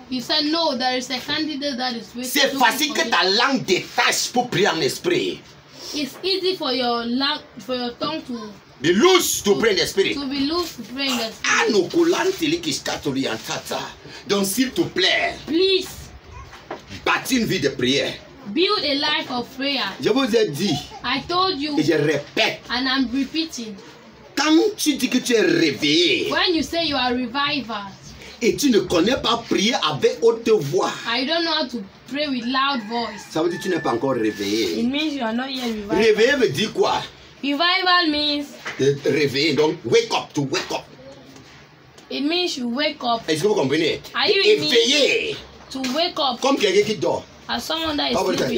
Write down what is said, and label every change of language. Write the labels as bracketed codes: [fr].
[en] You said no, there is a candidate that is waiting. [fr] C'est facile que ta langue détache pour prier en esprit. [en] It's easy for your langue, for your tongue to. Be loose to pray in the spirit. To be loose to pray in the spirit. [fr] Anokulante likiskatoli antata. Donc s'il te plaît. [en] Please. [fr] Bâtis une vie de prière. [en] Build a life of prayer. [fr] Je vous ai dit. [en] I told you. [fr] Et je répète. [en] And I'm repeating. [fr] Quand tu dis que tu es réveillé. [en] When you say you are revival. [fr] Et tu ne connais pas prier avec haute voix. [en] I don't know how to pray with loud voice. [fr] Ça veut dire que tu n'es pas encore réveillé. [en] It means you are not yet revival. [fr] Réveillé veut dire quoi? [en] Revival means [fr] réveiller, donc [en] wake up, to wake up. It means you wake up. [fr] Est-ce que vous comprenez? [en] Are you [fr] éveillé? [en] To wake up. [fr] Comme quelqu'un qui dort. [en] As someone that is sleeping.